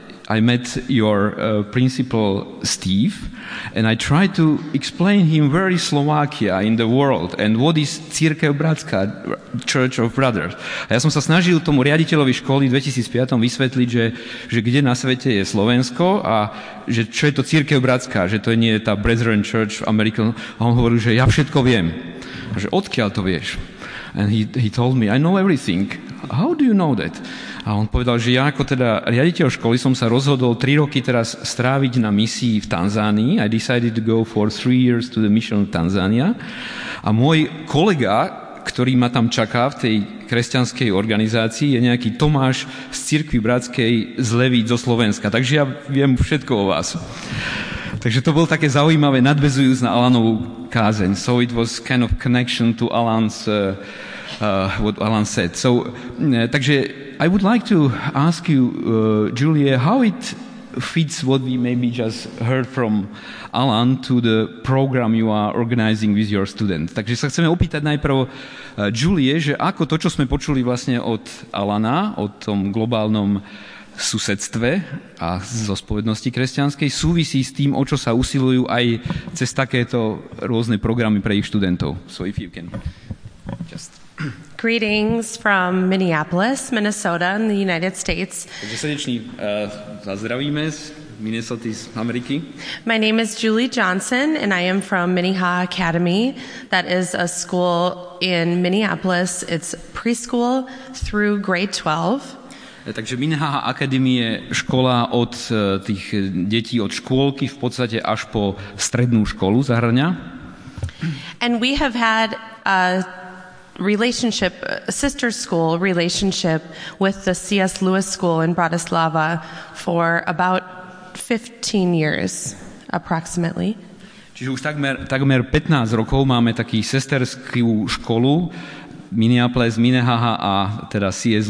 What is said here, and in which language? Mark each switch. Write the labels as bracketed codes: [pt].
[en] I met your principal, Steve, and I tried to explain him where is Slovakia in the world and what is Cirkev Bratská, Church of Brothers. [sk] A ja som sa snažil tomu riaditeľovi školy v 2005 vysvetliť, že kde na svete je Slovensko a že čo je to Cirkev Bratská, že to nie je tá Brethren Church of America. A on hovoril, že ja všetko viem. A že odkiaľ to vieš? [en] And he told me, I know everything. How do you know that? [sk] A on povedal, že ja ako teda riaditeľ školy som sa rozhodol 3 roky teraz stráviť na misii v Tanzánii. [en] I decided to go for 3 years to the mission of Tanzania. [sk] A môj kolega, ktorý ma tam čaká v tej kresťanskej organizácii, je nejaký Tomáš z Cirkvi Bratskej z Levíc zo Slovenska. Takže ja viem všetko o vás. Takže to bol také zaujímavé, nadväzujúc na Alanovú kázeň. [en] So it was kind of connection to Alan's what Alan said. So, [sk] takže [en] I would like to ask you, Julie, how it fits what we maybe just heard from Alan to the program you are organizing with your students. [sk] Takže sa chceme opýtať najprv Julie, že ako to, čo sme počuli vlastne od Alana, o tom globálnom susedstve a zo spovednosti kresťanskej, súvisí s tým, o čo sa usilujú aj cez takéto rôzne programy pre ich študentov. [en] So if you can just... Greetings from Minneapolis, Minnesota in the United States. [sk] Takže srdečný zdravíme z Minnesota z Ameriky. [en] My name is Julie Johnson and I am from Minnehaha Academy. That is a school in Minneapolis. It's preschool through grade 12. [sk] Takže Minnehaha Academy je škola od tých detí od škôlky v podstate až po strednú školu zahrňa. [en] And we have had a relationship, a sister school relationship with the C.S. Lewis School in Bratislava for about 15 years, approximately. [sk] Čiže už takmer 15 rokov máme taký sesterskú školu Minneapolis, Minnehaha a teda C.S.